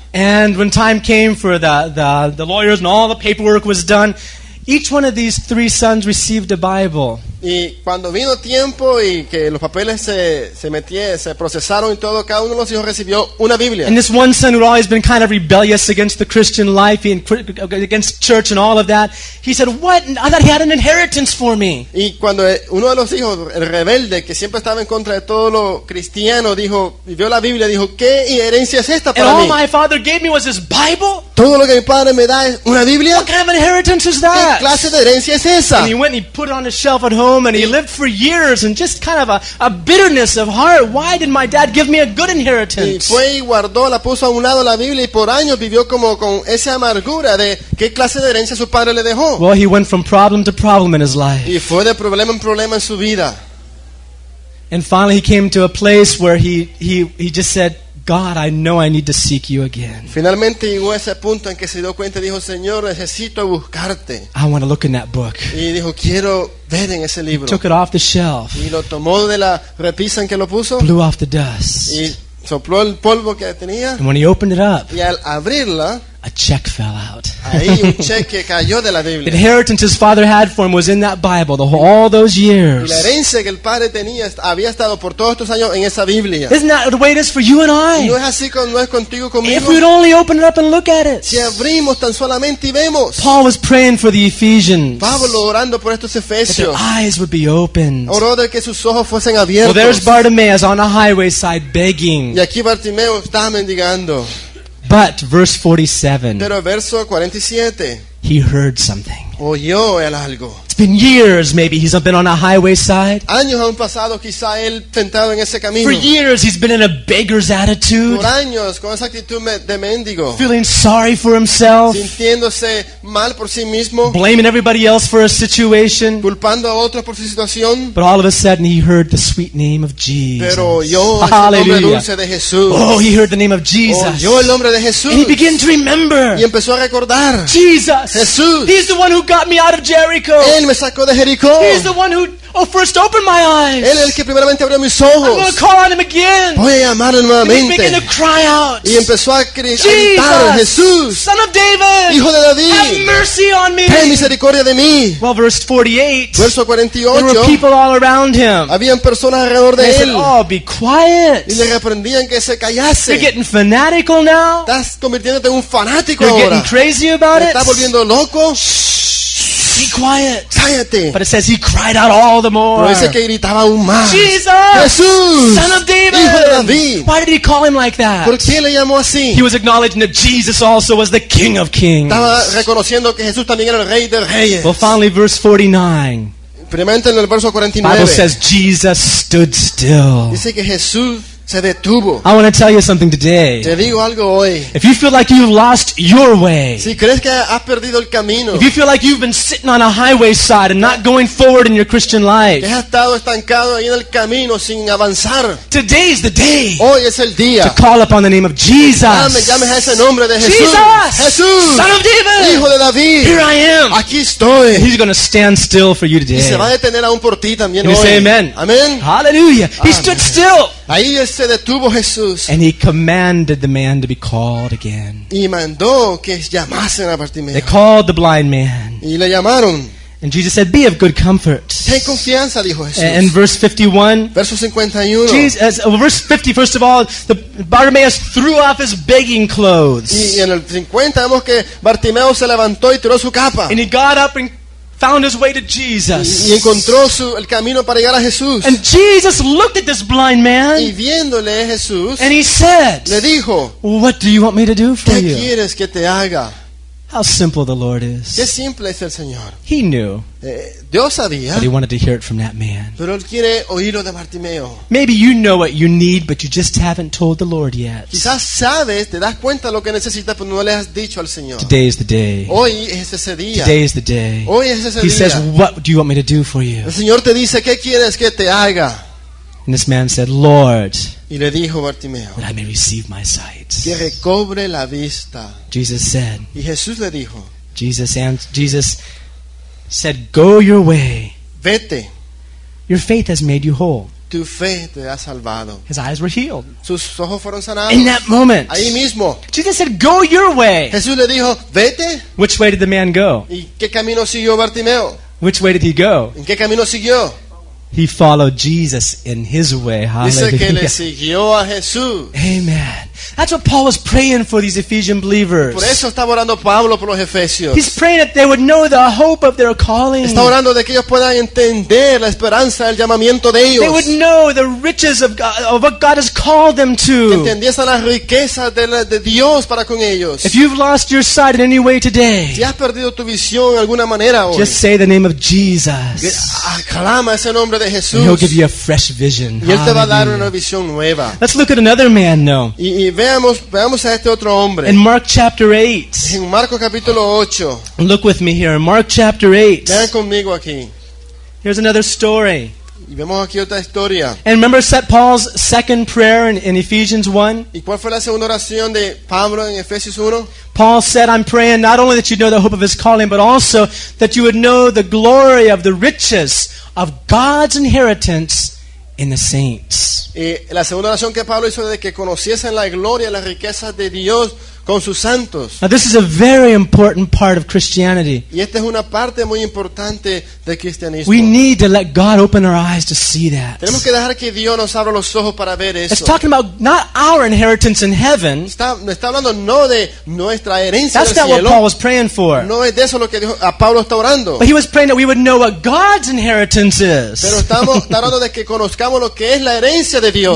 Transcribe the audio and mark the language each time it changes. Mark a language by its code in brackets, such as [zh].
[en] And when time came for the lawyers and all the paperwork was done, each one of these three sons received a Bible. [es] Y cuando vino tiempo y que los papeles se procesaron y todo, cada uno de los hijos recibió una Biblia. [en] And this one son who had always been kind of rebellious against the Christian life and against church and all of that, he said, "What? I thought he had an inheritance for me." [es] Y cuando uno de los hijos, el rebelde que siempre estaba en contra de todo lo cristiano, dijo, vio la Biblia, dijo, "¿Qué herencia es esta para [en] and [es] mí?" [en] And all my father gave me was his Bible. [es] Todo lo que mi padre me da es una Biblia. [en] What kind of inheritance is that? [es] ¿Qué clase de herencia es esa? [en] And he went and he put it on the shelf at home and he lived for years and just kind of a bitterness of heart. Why did my dad give me a good inheritance? [es] Y fue y guardó, la puso a un lado la Biblia y por años vivió como con esa amargura de qué clase de herencia su padre le dejó. [en] Well, he went from problem to problem in his life. [es] Y fue de problema en problema en su vida. [en] And finally he came to a place where he just said, God, I know I need to seek you again. [es] Finalmente llegó ese punto en que se dio cuenta y dijo, Señor, necesito buscarte. [en] I want to look in that book. [es] Y dijo, quiero ver en ese libro. [en] He took it off the shelf. [es] Y lo tomó de la repisa en que lo puso. [en] Blew off the dust. [es] Y sopló el polvo que tenía. [en] And when he opened it up, [es] y al abrirla, [en] a check fell out. [es] Ahí un cheque cayó de la Biblia. [en] The inheritance his father had for him was in that Bible all those years. [es] Y la herencia que el padre tenía había estado por todos estos años en esa Biblia. [en] Isn't that the way it is for you and I? [es] ¿No es así con, no es contigo, conmigo? [en] If we'd only open it up and look at it. [es] Si abrimos tan solamente y vemos. [en] Paul was praying for the Ephesians. [es] Pablo orando por estos Efesios. [en] That their eyes would be opened. [es] Oró de que sus ojos fuesen abiertos. [en] Well, there's Bartimaeus on a highway side begging. [es] Y aquí Bartimeo está mendigando. [en] But verse 47. [es] Pero verso 47. [en] He heard something. [es] Oyó él algo. [en] It's been years, maybe he's been on a highway side. [es] Años han pasado, quizá él sentado en ese camino. [en] For years he's been in a beggar's attitude. [es] Por años con esa actitud de mendigo. [en] Feeling sorry for himself. [es] Sintiéndose mal por sí mismo. [en] Blaming everybody else for his situation. [es] Culpando a otros por su situación. [en] But all of a sudden he heard the sweet name of Jesus. [es] Pero oyó el Hallelujah. Nombre dulce de Jesús. [en] Oh, he heard the name of Jesus. [es] Oyó el nombre de Jesús. [en] And he began to remember. [es] Y empezó a recordar. [en] Jesus. [es] Jesús. [en] He's the one who got me out of Jericho. [es] Él me sacó de Jericó. [en] He's the one who first opened my eyes. [es] Él es el que primeramente abrió mis ojos. [en] I'm going to call on him again. [es] Voy a llamarlo nuevamente. [en] And he began to cry out. [es] Y empezó a gritar, Jesús. [en] Son of David. [es] Hijo de David. [en] Have mercy on me. [es] Ten misericordia de mí. [en] Well, verse 48. [es] Verso 48. [en] There were people all around him. [es] Habían personas alrededor de él. [en] They said, oh, be quiet. [es] Y le reprendían que se callase. [en] You're getting fanatical now. [es] Estás convirtiéndote en un fanático [en] You're [es] ahora. [en] You're getting crazy about it. [es] Estás volviendo loco. [en] Be quiet. [es] Cállate. [en] But it says he cried out all the more. [es] Pero dice que gritaba aún más. [en] Jesus. [es] Jesús. [en] Son of David. [es] Hijo de David. [en] Why did he call him like that? [es] ¿Por qué le llamó así? [en] He was acknowledging that Jesus also was the King of Kings. [es] Estaba reconociendo que Jesús también era el Rey de Reyes. [en] Well, finally, verse 49. [es] Primeramente en el verso 49. [en] Bible says Jesus stood still. [es] Dice que Jesús se detuvo. [en] I want to tell you something today. [es] Te digo algo hoy. [en] If you feel like you've lost your way, [es] si crees que has perdido el camino, [en] if you feel like you've been sitting on a highway side and not going forward in your Christian life, [es] que has estado estancado ahí en el camino sin avanzar, [en] today's the day. [es] Hoy es el día. [en] To call upon the name of Jesus. [es] Llame a ese nombre de Jesús. [en] Jesus! [es] Jesús! [en] Son of David! [es] Hijo de David! [en] Here I am! [es] Aquí estoy! [en] He's going to stand still for you today. [es] Y se va a detener aún por ti también [en] Can [es] hoy. [en] We say amen? Amen! Hallelujah! He amen. Stood still! [es] Ahí se detuvo Jesús. [en] And he commanded the man to be called again. [es] Y mandó que llamasen a Bartimeo. [en] They called the blind man. [es] Y le llamaron. [en] And Jesus said, "Be of good comfort." [es] Ten confianza, dijo Jesús. [en] And verse 51. [es] Verso 51. [en] Jesus, verse 50. First of all, the Bartimaeus threw off his begging clothes. [es] Y en el 50 vemos que Bartimeo se levantó y tiró su capa. [en] And he got up and found his way to Jesus. [es] Y encontró el camino para llegar a Jesús. [en] And Jesus looked at this blind man. [es] Y viéndole Jesús. [en] And he said. [es] Le dijo. [en] What do you want me to do for [es] ¿qué [en] you? [es] ¿Qué quieres que te haga? [en] How simple the Lord is. [es] Qué simple es el Señor. [en] He knew. [es] Dios sabía. [en] But he wanted to hear it from that man. [es] Pero él quiere oírlo de Bartimeo. [en] Maybe you know what you need, but you just haven't told the Lord yet. [es] Quizás sabes, te das cuenta lo que necesitas, pero no le has dicho al Señor. [en] Today is the day. [es] Hoy es ese día. [en] Today is the day. [es] Hoy es ese [en] he [es] día. [en] Says, what do you want me to do for you? [es] El Señor te dice, ¿qué quieres que te haga? [en] And this man said, Lord, [es] y le dijo Bartimeo, [en] that I may receive my sight. [es] Que recobre la vista. [en] Jesus said, [es] y Jesús le dijo, [en] Jesus said, go your way. [es] Vete. [en] Your faith has made you whole. [es] Tu fe te ha salvado. [en] His eyes were healed. [es] Sus ojos fueron sanados. [en] In that moment, [es] ahí mismo, [en] Jesus said, go your way. [es] Jesús le dijo, vete. [en] Which way did the man go? [es] ¿Y qué camino siguió Bartimeo? [en] Which way did he go? [es] ¿En qué camino siguió? [en] He followed Jesus in his way. Hallelujah. [es] Dice que le siguió a Jesús. [en] Amen. That's what Paul was praying for these Ephesian believers. [es] Por eso estaba orando Pablo por los Efesios. [en] He's praying that they would know the hope of their calling. [es] Está orando de que ellos puedan entender la esperanza del llamamiento de ellos. [en] They would know the riches of God, of what God has called them to. [es] Que entendiesen las riquezas de Dios para con ellos. [en] If you've lost your sight in any way today, [es] si has perdido tu visión de alguna manera hoy, [en] just say the name of Jesus. [es] Clama ese nombre. [en] And he'll give you a fresh vision. [es] Y él te va a dar una visión nueva. [en] Let's look at another man now. [es] Y veamos a este otro hombre. [en] In Mark chapter 8. [es] En Marcos capítulo 8. [en] Look with me here. Mark chapter 8. [es] Vean conmigo aquí. [en] Here's another story. [es] Y vemos aquí otra historia. [en] And remember Paul's second prayer in Ephesians 1? [es] ¿Y cuál fue la segunda oración de Pablo en Efesios 1? [en] Paul said, I'm praying not only that you know the hope of his calling, but also that you would know the glory of the riches of God's inheritance in the saints. [es] La segunda oración que Pablo hizo de que conociesen la gloria y las riquezas de Dios con sus santos. [en] Now this is a very important part of Christianity. [es] Y esta es una parte muy importante del cristianismo. [en] We need to let God open our eyes to see that. [es] Tenemos que dejar que Dios nos abra los ojos para ver eso. [en] It's talking about not our inheritance in heaven. [es] Está hablando no de nuestra herencia en el cielo. [en] That's not what Paul was praying for. [es] No es de eso lo que dijo, a Pablo está orando. [en] But he was praying that we would know what God's inheritance is. [es] Pero estamos hablando de que conozcamos lo que es la herencia de Dios.